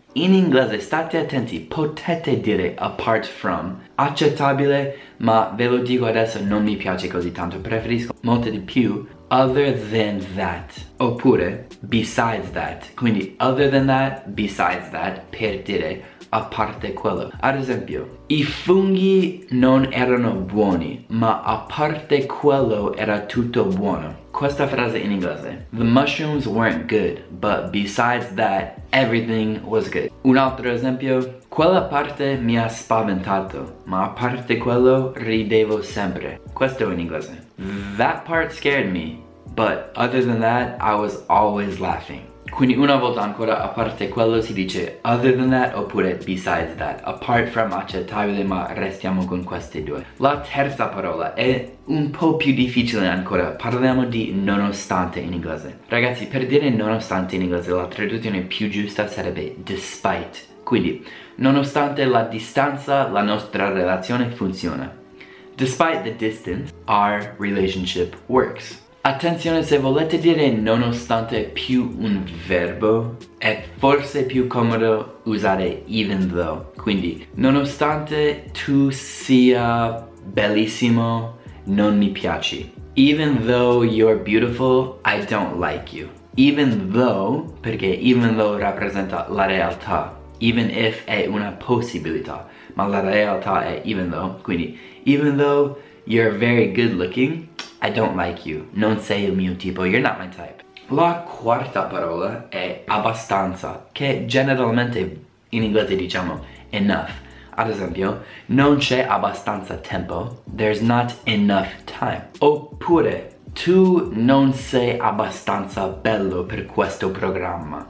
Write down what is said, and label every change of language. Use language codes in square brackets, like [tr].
[it] In inglese state attenti, potete dire apart from, accettabile, ma ve lo dico adesso, non mi piace così tanto, preferisco molto di più other than that oppure besides that. Quindi other than that, besides that, per dire a parte quello. Ad esempio, i funghi non erano buoni, ma a parte quello era tutto buono. Questa frase in inglese. [en] The mushrooms weren't good, but besides that, everything was good. [it] Un altro esempio. Quella parte mi ha spaventato, ma a parte quello ridevo sempre. Questo in inglese. [en] That part scared me, but other than that, I was always laughing. [it] Quindi una volta ancora, a parte quello si dice other than that oppure besides that. Apart from, accettabile, ma restiamo con queste due. La terza parola è un po' più difficile ancora. Parliamo di nonostante in inglese. Ragazzi, per dire nonostante in inglese, la traduzione più giusta sarebbe despite. Quindi, nonostante la distanza, la nostra relazione funziona. [en] Despite the distance, our relationship works. [it] Attenzione, se volete dire nonostante più un verbo, è forse più comodo usare even though. Quindi, nonostante tu sia bellissimo, non mi piaci. [en] Even though you're beautiful, I don't like you. [it] Even though, perché even though rappresenta la realtà. Even if è una possibilità, ma la realtà è even though. [en] Quindi, even though you're very good looking, I don't like you. [it] Non sei il mio tipo, [en] you're not my type. [it] La quarta parola è abbastanza, che generalmente in inglese diciamo enough. Ad esempio, non c'è abbastanza tempo, [en] there's not enough time. [it] Oppure, tu non sei abbastanza bello per questo programma.